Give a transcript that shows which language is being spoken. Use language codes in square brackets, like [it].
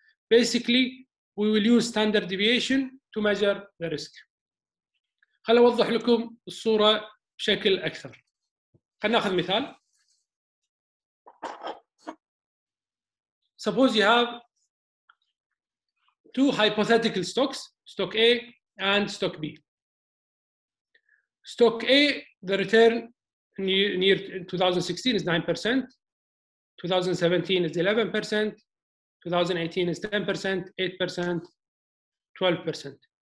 [en] Basically we will use standard deviation to measure the risk. [ar] خل أوضح لكم الصورة بشكل أكثر. خل نأخذ مثال. [en] Suppose you have two hypothetical stocks, stock A and stock B. Stock A, the return in year 2016 is 9%, 2017 is 11%, 2018 is 10%, 8%, 12%.